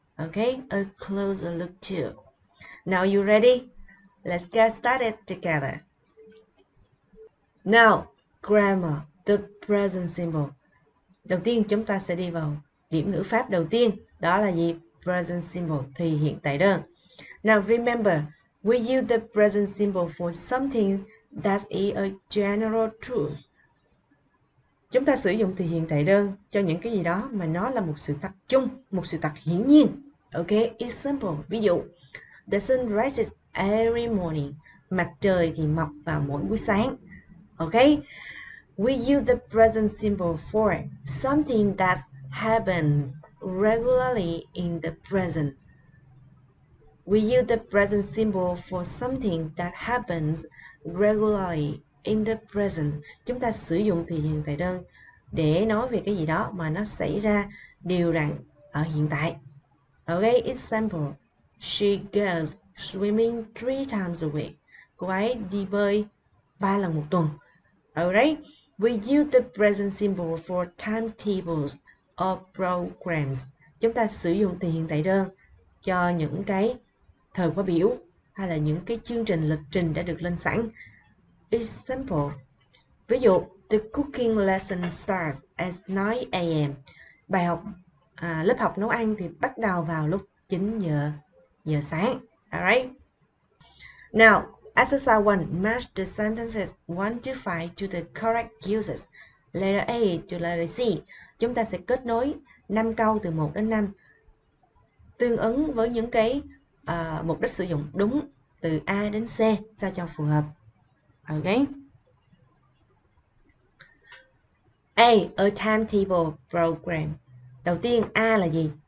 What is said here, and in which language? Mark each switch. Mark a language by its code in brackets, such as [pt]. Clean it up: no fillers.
[en] Okay, A Closer Look To. Now you ready? Let's get started together. Now, grammar, the present simple. [vi] Đầu tiên chúng ta sẽ đi vào điểm ngữ pháp đầu tiên. Đó là gì? [en] Present simple, [vi] thì hiện tại đơn. [en] Now remember, we use the present simple for something that is a general truth. [vi] Chúng ta sử dụng thì hiện tại đơn cho những cái gì đó mà nó là một sự thật chung, một sự thật hiển nhiên. [en] Okay, it's simple. [vi] Ví dụ, [en] the sun rises every morning. [vi] Mặt trời thì mọc vào mỗi buổi sáng. [en] Okay. We use the present simple for something that happens regularly in the present. We use the present simple for something that happens regularly in the present. [vi] Chúng ta sử dụng thì hiện tại đơn để nói về cái gì đó mà nó xảy ra đều đặn ở hiện tại. [en] Okay, example. She goes swimming 3 times a week. [vi] Cô ấy đi bơi 3 lần một tuần. [en] Alright, we use the present simple for timetables or programs. [vi] Chúng ta sử dụng thì hiện tại đơn cho những cái thời khóa biểu hay là những cái chương trình lịch trình đã được lên sẵn. [en] It's simple. [vi] Ví dụ, [en] the cooking lesson starts at 9 a.m. [vi] Bài học, lớp học nấu ăn thì bắt đầu vào lúc 9 giờ sáng. [en] Alright. Now, exercise 1. Match the sentences 1 to 5 to the correct uses. Letter A to letter C. [vi] Chúng ta sẽ kết nối 5 câu từ 1 đến 5 tương ứng với những cái mục đích sử dụng đúng từ A đến C sao cho phù hợp. Okay. A, [en] a timetable program. [vi] Đầu tiên A là gì?